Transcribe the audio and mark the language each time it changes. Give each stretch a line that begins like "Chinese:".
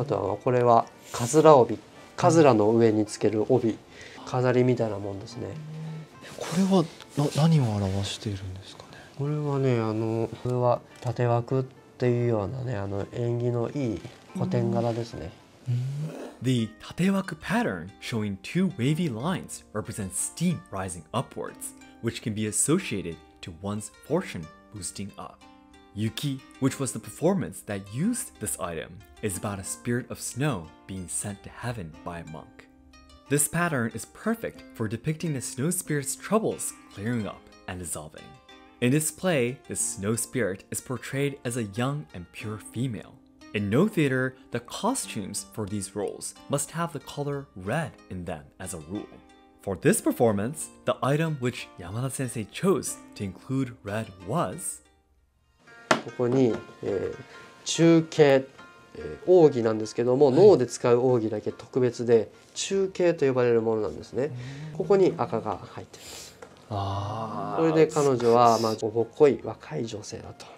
Japanese: あとはこれはカズラ帯、カズラの上につける帯、飾りみたいなもんですね。これは何を表しているんですかね。これはね、あのこれは縦枠っていうようなね、あの縁起のいい古典柄ですね。
English: The 縦枠 pattern showing two wavy lines represents steam rising upwards, which can be associated to one's fortune boosting up. Yuki, which was the performance that used this item, is about a spirit of snow being sent to heaven by a monk. This pattern is perfect for depicting the snow spirit's troubles clearing up and dissolving. In this play, the snow spirit is portrayed as a young and pure female. In no theater, the costumes for these roles must have the color red in them as a rule. For this performance, the item which Yamada Sensei chose to include red was...
Japanese: ここに、中継、奥義なんですけども、はい、脳で使う奥義だけ特別で中継と呼ばれるものなんですね。ここに赤が入っています。あ、これで彼女は、まあ、おほっこい若い女性だと。